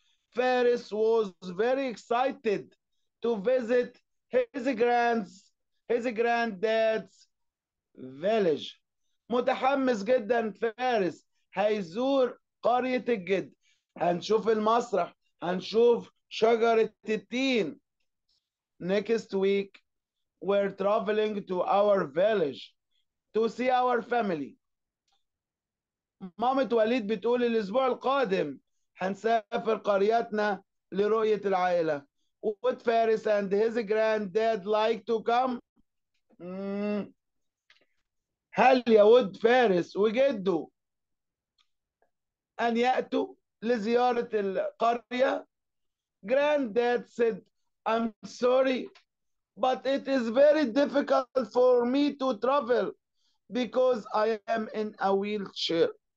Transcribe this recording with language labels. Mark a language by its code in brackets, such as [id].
[ar] فارس [en] was very excited to visit his granddad's village، [ar] متحمس جدا فارس هيزور قرية الجد، هنشوف المسرح، هنشوف شجرة التين. [en] Next week we're traveling to our village to see our family، [ar] مامة وليد بتقول الأسبوع القادم هنسافر قريتنا لرؤية العائلة. [en] Would Faris and his granddad like to come؟ [ar] هل يود فارس وجده أن يأتوا لزيارة القرية؟ [en] Granddad said I'm sorry but it is very difficult for me to travel because I am in a wheelchair،